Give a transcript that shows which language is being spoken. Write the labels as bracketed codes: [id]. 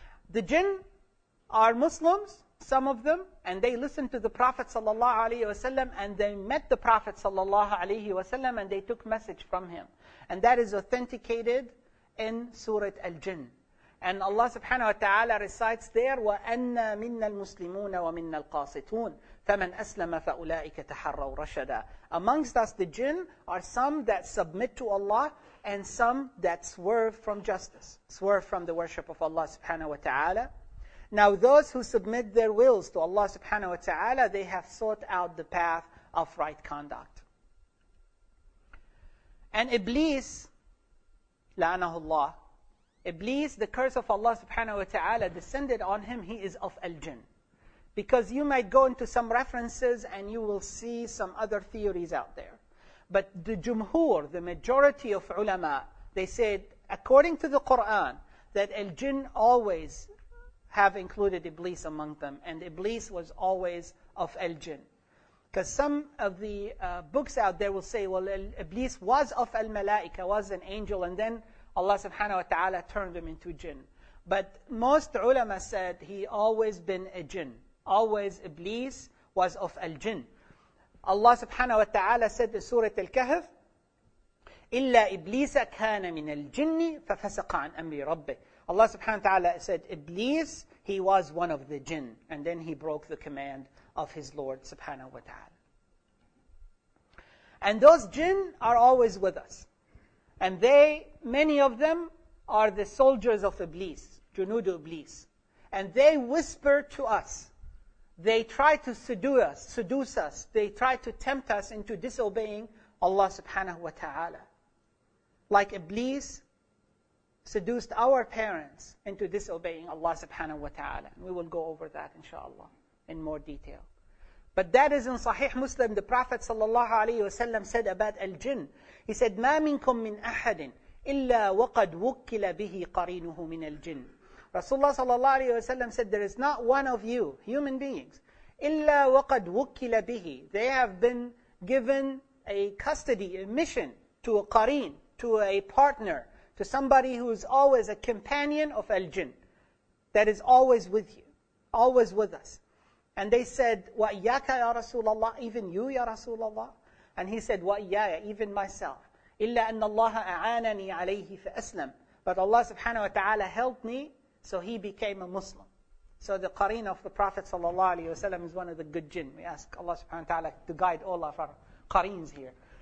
[en] The jinn are Muslims, some of them, and they listened to the Prophet sallallahu alaihi wasallam, and they met the Prophet sallallahu alaihi wasallam, and they took message from him. And that is authenticated in Surah Al-Jinn. And Allah subhanahu wa ta'ala recites there, [ar] وَأَنَّا مِنَّا الْمُسْلِمُونَ وَمِنَّا الْقَاسِتُونَ فَمَنْ أَسْلَمَ فَأُولَٰئِكَ تَحَرَّوْا رَشَدًا. [en] Amongst us, the jinn are some that submit to Allah and some that swerve from justice, swerve from the worship of Allah subhanahu wa ta'ala. Now those who submit their wills to Allah subhanahu wa ta'ala, they have sought out the path of right conduct. And Iblis, [ar] لَعَنَهُ اللَّهُ, [en] Iblis, the curse of Allah subhanahu wa ta'ala descended on him, he is of al-jinn. Because you might go into some references and you will see some other theories out there. But the jumhur, the majority of ulama, they said, according to the Quran, that al-jinn always have included Iblis among them. And Iblis was always of al-jinn. Because some of the books out there will say, well, Iblis was of al-malaika, was an angel, and then Allah subhanahu wa ta'ala turned him into jinn. But most ulama said he always been a jinn. Always Iblis was of al-jinn. Allah subhanahu wa ta'ala said in Surah Al-Kahf, [ar] إِلَّا إِبْلِيسَ كَانَ مِنَ الْجِنِّ فَفَسَقَ عَنْ أَمْرِ رَبِّهِ. [en] Allah subhanahu wa ta'ala said, Iblis, he was one of the jinn. And then he broke the command of his Lord subhanahu wa ta'ala. And those jinn are always with us. And they, many of them, are the soldiers of Iblis, Junudu Iblis. And they whisper to us. They try to seduce us. They try to tempt us into disobeying Allah subhanahu wa ta'ala. Like Iblis seduced our parents into disobeying Allah subhanahu wa ta'ala. We will go over that, inshallah, in more detail. But that is in Sahih Muslim, the Prophet sallallahu alaihi wasallam said about al-jinn. He said, [ar] مَا مِنْكُمْ مِنْ أَحَدٍ إِلَّا وَقَدْ وُكِّلَ بِهِ قَرِينُهُ مِنَ الْجِنِّ. [en] Rasulullah sallallahu alaihi wasallam said, there is not one of you, human beings, [ar] إِلَّا وَقَدْ وُكِّلَ بِهِ. [en] They have been given a custody, a mission to a qareen, to a partner, to somebody who is always a companion of al-jinn, that is always with you, always with us. And they said, [ar] وَإِيَّاكَ يَا رَسُولَ اللَّهِ, [en] even you, [ar] يَا رَسُولَ اللَّهِ. [en] And he said, [ar] وَإِيَّايَ, [en] even myself. [ar] إِلَّا أَنَّ اللَّهَ أَعَانَنِي عَلَيْهِ فَأَسْلَمْ. [en] But Allah subhanahu wa ta'ala helped me, so he became a Muslim. So the qareen of the Prophet sallallahu alayhi wa sallam is one of the good jinn. We ask Allah subhanahu wa ta'ala to guide all of our qareens here.